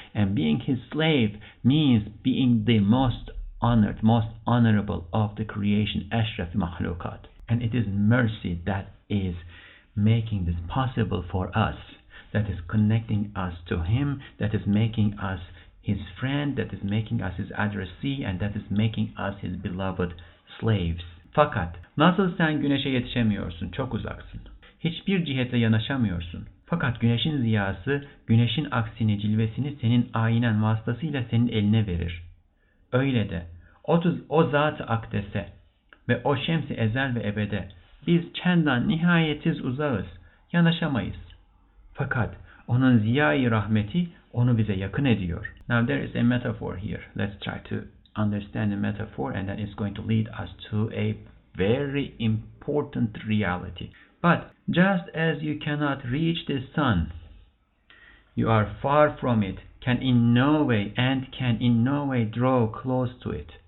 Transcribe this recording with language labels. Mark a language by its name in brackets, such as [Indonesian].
[English] And being his slave means being the most honored, most honorable of the creation, Ashraf Mahlukat. And it is mercy that is making this possible for us, that is connecting us to him, that is making us his friend, that is making us his addressee, and that is making us his beloved slaves. [Turkish] Fakat nasıl sen güneşe yetişemiyorsun? Çok uzaksın. Hiçbir cihetle yanaşamıyorsun. Fakat güneşin ziyası, güneşin aksini, cilvesini senin aynen vasıtasıyla senin eline verir. Öyle de o zat-ı akdese ve o şems-i ezel ve ebede biz çendan nihayetiz uzağız, yanaşamayız. Fakat onun ziyai rahmeti onu bize yakın ediyor. [English] Now there is a metaphor here. Let's try to understand the metaphor, and then it's going to lead us to a very important reality. But just as you cannot reach the sun, you are far from it, can in no way draw close to it.